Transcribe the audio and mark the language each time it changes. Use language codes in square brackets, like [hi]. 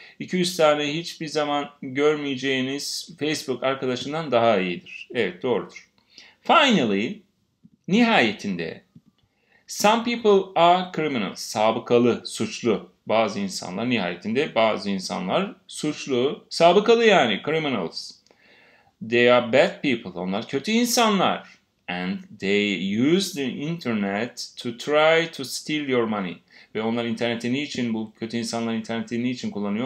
[tr] 200 tane hiçbir zaman görmeyeceğiniz Facebook arkadaşından daha iyidir. Evet, doğrudur. [en] Finally, [tr] nihayetinde, [en] some people are criminals, [tr] sabıkalı, suçlu. Bazı insanlar, nihayetinde bazı insanlar suçlu, sabıkalı yani, criminals. [en] They are bad people, [tr] onlar kötü insanlar. [en] And they use the internet to try to steal your money. [tr] Ve onlar interneti niçin, bu kötü insanlar interneti niçin kullanıyor?